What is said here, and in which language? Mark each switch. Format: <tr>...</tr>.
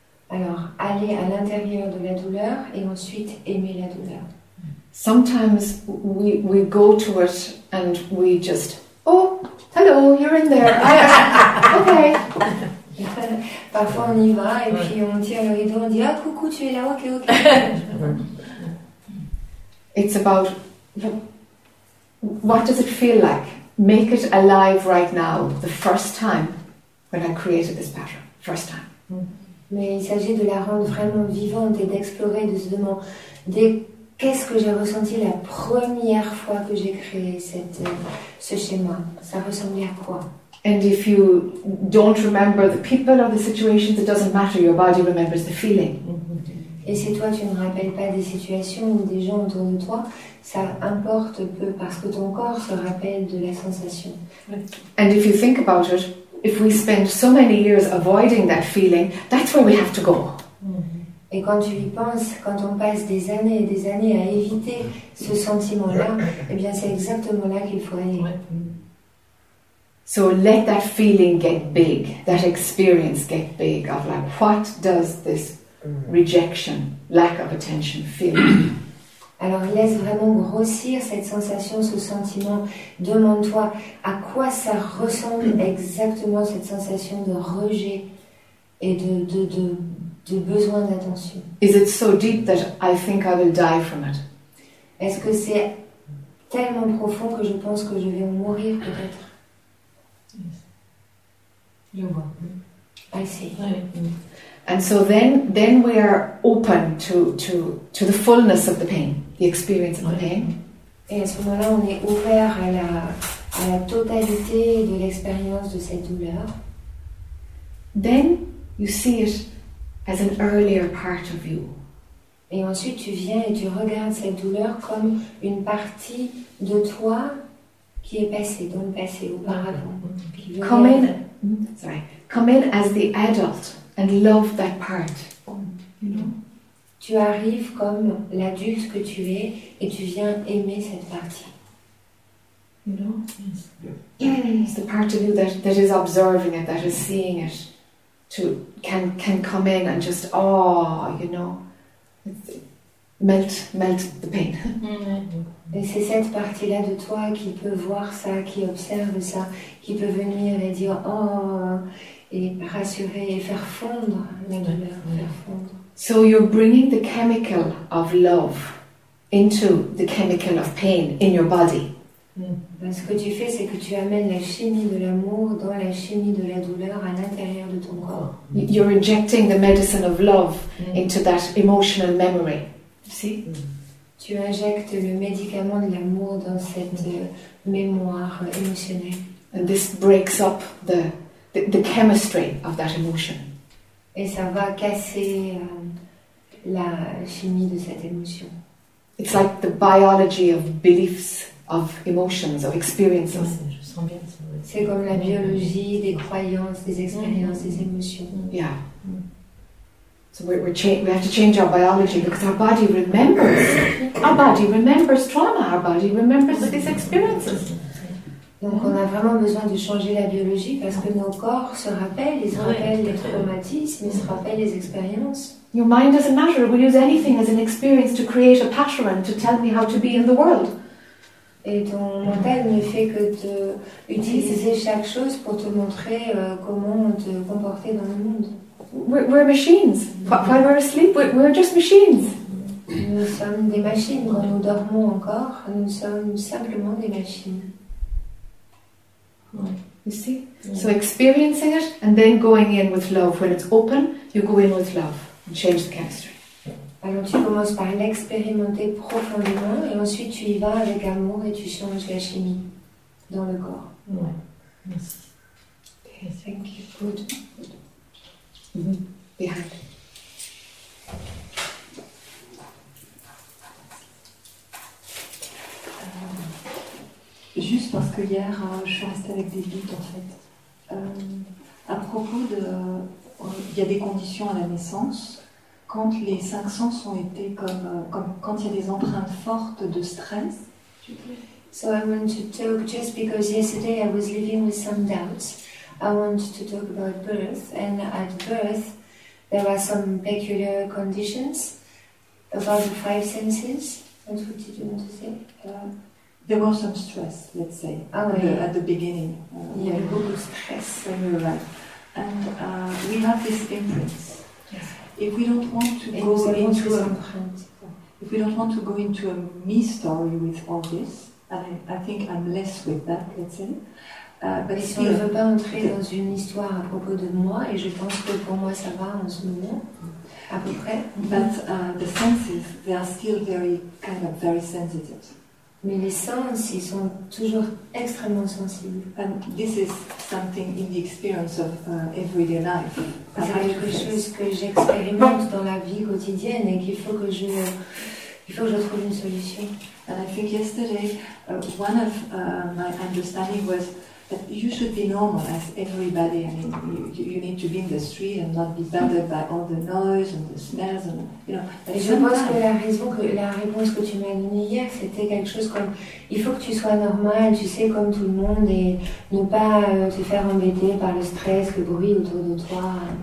<fr>Alors, aller à l'intérieur de la douleur et ensuite aimer la douleur.</fr> <en>Sometimes we go to it and we just, oh, hello, you're in there. Okay.</en> <fr>Parfois on y va et puis on tire le rideau, on dit, ah, coucou, tu es là, ok, ok.</fr> <en>It's about what does it feel like? Make it alive right now, the first time when I created this pattern, first time.</en> <fr>Mais il s'agit de la rendre vraiment vivante et d'explorer, de se demander qu'est-ce que j'ai ressenti la première fois que j'ai créé ce schéma. Ça ressemblait à quoi?</fr> <en>And if you don't remember the people or the situations, it doesn't matter. Your body remembers the feeling.</en> <fr>Et si toi tu ne rappelles pas des situations ou des gens autour de toi, ça importe peu parce que ton corps se rappelle de la sensation.</fr> <en>And if you think about it, if we spend so many years avoiding that feeling, that's where we have to go. Mm-hmm.</en> <fr>Et quand tu y penses, quand on passe des années et des années à éviter ce sentiment-là, eh bien c'est exactement là qu'il faut aller. Mm-hmm.</fr> <en>So let that feeling get big, that experience get big of like, what does this rejection, lack of attention feel?</en> <fr>Alors laisse vraiment grossir cette sensation, ce sentiment. Demande-toi à quoi ça ressemble exactement cette sensation de rejet et de besoin d'attention.</fr> <en>Is it so deep that I think I will die from it?</en> <fr>Est-ce que c'est tellement profond que je pense que je vais mourir peut-être? Je vois.</fr> <en>I see.</en> <fr>Oui. Mm.</fr> <en>And so then we are open to the fullness of the pain, the experience of the pain.</en> <fr>Et à ce moment-là, on est ouvert à la totalité de l'expérience de cette douleur.</fr> <en>Then you see it as an earlier part of you.</en> <fr>Et ensuite, tu viens et tu regardes cette douleur comme une partie de toi qui est passée, dans le passé, auparavant.</fr> <en>Come in as the adult. And love that part. You know?</en> <fr>Tu arrives comme l'adulte que tu es et tu viens aimer cette partie.</fr> <en>You know? Yes. Yeah. It's the part of you that is observing it, that is seeing it, to can come in and just melt the pain. Mm-hmm.</en> <fr>Et c'est cette partie-là de toi qui peut voir ça, qui observe ça, qui peut venir et dire et rassurer et faire fondre la douleur, faire fondre.</fr> <en>So you're bringing the chemical of love into the chemical of pain in your body.</en> <fr>Ce que tu fais, c'est que tu amènes la chimie de l'amour dans la chimie de la douleur à l'intérieur de ton corps.</fr> <en>You're injecting the medicine of love into that emotional memory. See?</en> <fr>Tu injectes le médicament de l'amour dans cette mémoire émotionnelle.</fr> <en>And this breaks up the chemistry of that emotion.</en> <fr>Et ça va casser la chimie de cette émotion.</fr> <en>It's like the biology of beliefs of emotions, of experiences.</en> <fr>Oui, je sens bien ça, oui. C'est comme la biologie, des croyances, des expériences, des émotions.</fr> <en>Yeah. So we have to change our biology because our body remembers. Our body remembers trauma. Our body remembers these experiences.</en> <fr>Donc on a vraiment besoin de changer la biologie parce que nos corps se rappellent, ils se rappellent les traumatismes, ils se rappellent les expériences.</fr> <en>Your mind doesn't matter. We use anything as an experience to create a pattern to tell me how to be in the world.</en> <fr>Et ton mental ne fait que de utiliser chaque chose pour te montrer comment te comporter dans le monde.</fr> <en>We're machines. While we're asleep, we're just machines.</en> <fr>Nous sommes des machines. Quand nous dormons encore, nous sommes simplement des machines.</fr> <en>You see? So experiencing it and then going in with love. When it's open, you go in with love and change the chemistry.</en> <fr>Alors tu commences par l'expérimenter profondément et ensuite tu y vas avec amour et tu changes la chimie dans le corps. Ouais. Merci.</fr> <en>Okay, thank you. Good. Mm-hmm. Behind.</en> <fr>Juste parce que hier, je suis restée avec des doutes en fait. À propos de. Il y a des conditions à la naissance. Quand les cinq sens ont été comme quand il y a des empreintes fortes de stress.</fr> <en>So I want to talk just because yesterday I was living with some doubts. I want to talk about birth. And at birth, there are some peculiar conditions about the five senses. And what did you want to say? There was some stress, let's say, at the beginning. Yeah,</en> <fr>beaucoup de stress</fr> <en>when we arrived. And we have these imprints. Yes. If we don't want to go into a me story with all this, I think I'm less with that, let's say.</en> <fr>But si on ne veut pas entrer dans une histoire à propos de moi, et je pense que pour moi ça va en ce moment, à peu près.</fr> <en>But the senses, they are still very kind of very sensitive.</en> <fr>Mais les sens, ils sont toujours extrêmement sensibles.</fr> <en>And this is something in the experience of everyday life.</en> <fr>C'est quelque chose que j'expérimente dans la vie quotidienne et qu'il faut que je trouve une solution.</fr> <en>And I think yesterday, one of my understanding was that you should be normal as everybody. I mean, you need to be in the street and not be bothered by all the noise and the smells and,</en> <fr>Je pense que la réponse que tu m'as donnée hier, c'était quelque chose comme il faut que tu sois normal, tu sais, comme tout le monde, et ne pas te faire embêter par le stress, le bruit autour de toi.</fr>